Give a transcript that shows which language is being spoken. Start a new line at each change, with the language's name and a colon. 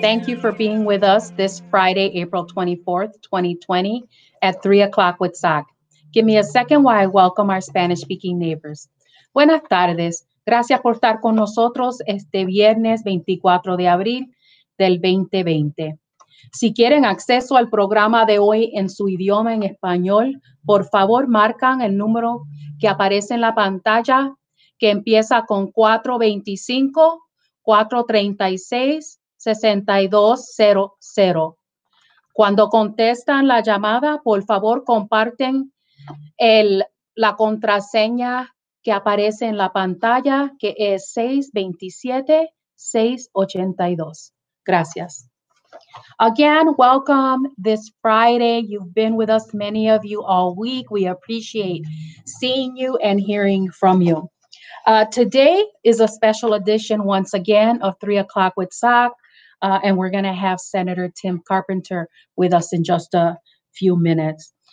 English: Thank you for being with us this Friday, April 24th, 2020 at 3 o'clock with SAC. Give me a second while I welcome our Spanish-speaking neighbors.
Spanish: Buenas tardes. Gracias por estar con nosotros este viernes 24 de abril del 2020. Si quieren acceso al programa de hoy en su idioma en español, por favor marcan el número que aparece en la pantalla que empieza con 425 436-6200. Cuando contestan la llamada, por favor, comparten la contraseña que aparece en la pantalla, que es 627-682. Gracias.
English: Again, welcome this Friday. You've been with us, many of you, all week. We appreciate seeing you and hearing from you. Today is a special edition once again of 3 o'clock with SAC, and we're going to have Senator Tim Carpenter with us in just a few minutes.